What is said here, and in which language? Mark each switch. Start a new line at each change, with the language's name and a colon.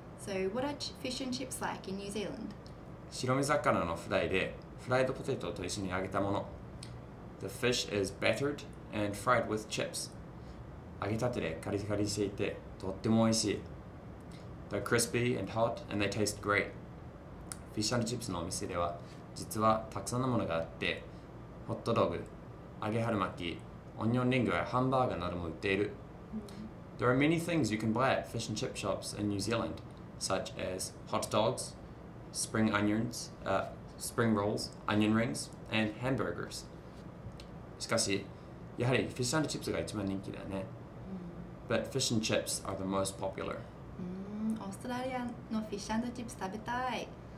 English: So, what are fish and chips like in New Zealand?
Japanese: 白身魚のフライで、フライドポテトと一緒に揚げたもの。
English: The fish is battered and fried with chips.
Japanese: 揚げたてでカリカリしていて、とっても美味しい。
English: They're crispy and hot and they taste great.
Japanese: フィッシュ&チップスのお店では、実はたくさんのものがあって、ホットドグ、揚げ春巻き、オニオンリングやハンバーガーなども売っている。
English: There are many things you can buy at fish and chip shops in New Zealand, such as hot dogs, spring onions, spring rolls, onion rings, and hamburgers.
Japanese: しかし、やはりフィッシュ&チップスが一番人気だね。
English: But fish and chips are the most popular.
Japanese: オーストラリアのフィッシュ&チップス食べたい。